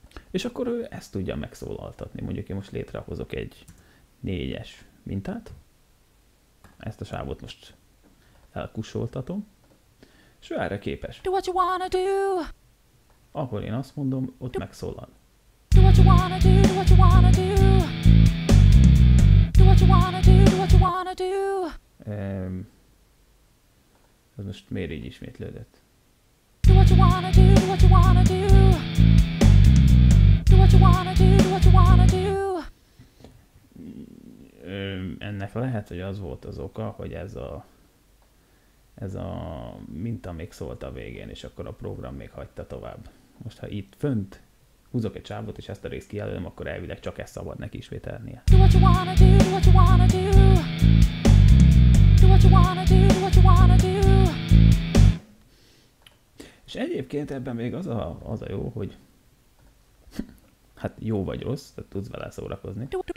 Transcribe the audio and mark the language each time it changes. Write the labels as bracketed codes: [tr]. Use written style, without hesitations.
[hu] És akkor ő ezt tudja megszólaltatni. Mondjuk én most létrehozok egy 4-es mintát. Ezt a sávot most elkusoltatom. És ő erre képes. [en] Do what you wanna do. [hu] Akkor én azt mondom, ott megszólal. [en] Do what you wanna do, do what you wanna do. Do what you wanna do, do what you wanna do. [hu] Ez most miért így ismétlődött? [en] Do what you wanna do, do what you wanna do. Do what you wanna do, do what you wanna do. [hu] Ennek lehet, hogy az volt az oka, hogy ez a minta még szólt a végén, és akkor a program még hagyta tovább. Most ha itt fönt húzok egy csávot, és ezt a részt kijelölöm, akkor elvileg csak ezt szabad neki ismételnie. [en] Do what you wanna do, do what you wanna do. Do what you wanna do, do what you wanna do. [hu] És egyébként ebben még az a jó, hogy hát jó vagy rossz, tehát tudsz vele szórakozni.